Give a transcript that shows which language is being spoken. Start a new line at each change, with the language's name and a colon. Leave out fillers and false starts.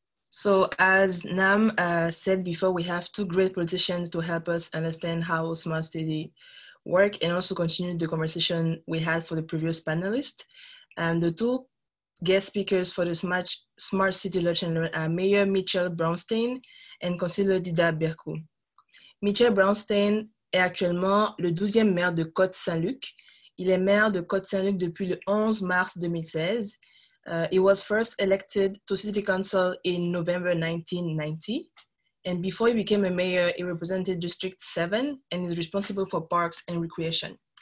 English: So as Nam said before, we have two great politicians to help us understand how Smart City work and also continue the conversation we had for the previous panelists. And the two guest speakers for the Smart City Lunch and Learn are Mayor Mitchell Brownstein and Councillor Dida Berku.
French: Mitchell Brownstein est actuellement le 12e maire de Côte-Saint-Luc. Il est maire de Côte-Saint-Luc depuis le 11 mars 2016.
English: He was first elected to City Council in November 1990. And before he became a mayor, he represented District 7 and is responsible for parks and recreation.